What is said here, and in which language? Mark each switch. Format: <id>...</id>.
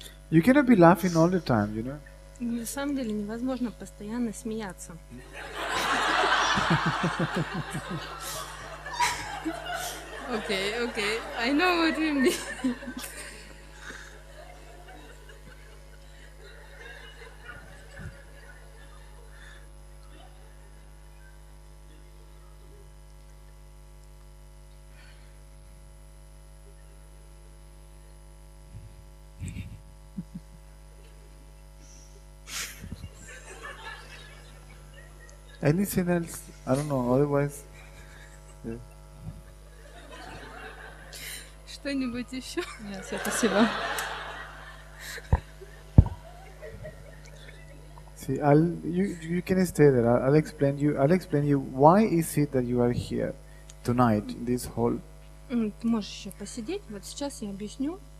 <en>You cannot be laughing all the time, you know.</en> <ru>На самом деле невозможно постоянно смеяться.</ru> <en>Okay, I know what you mean. Anything else? I don't know. Otherwise,</en> <ru>что-нибудь еще? Нет, все, спасибо.</ru> <en>See, you can stay there. I'll explain you why is it that you are here tonight in this hall.</en> <ru>Ты можешь еще посидеть. Вот сейчас я объясню.</ru>